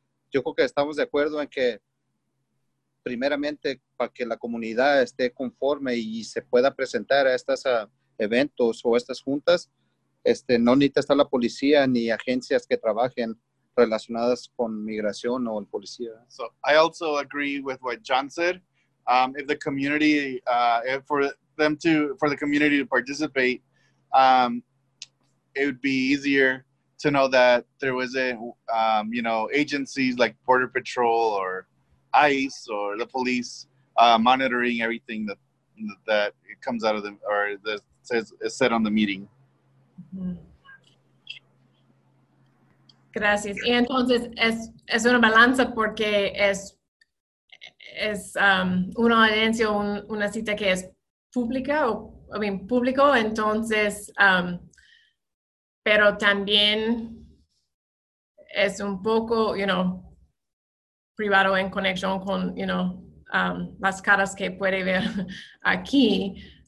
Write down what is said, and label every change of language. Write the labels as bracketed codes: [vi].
[es] Yo creo que estamos de acuerdo en que primeramente para que la comunidad esté conforme y se pueda presentar a estos eventos o estas juntas, no necesita estar la policía ni agencias que trabajen relacionadas con migración o el policía. [en] So I also agree with what John said. If the community, for the community to participate, it would be easier to know that there was a, agencies like Border Patrol or ICE or the police monitoring everything that it comes out of them or that says is said on the meeting. [es] Gracias. Y entonces es una balanza porque es una audiencia una cita que es pública público, entonces pero también es un poco, privado en conexión con, las caras que puede ver aquí.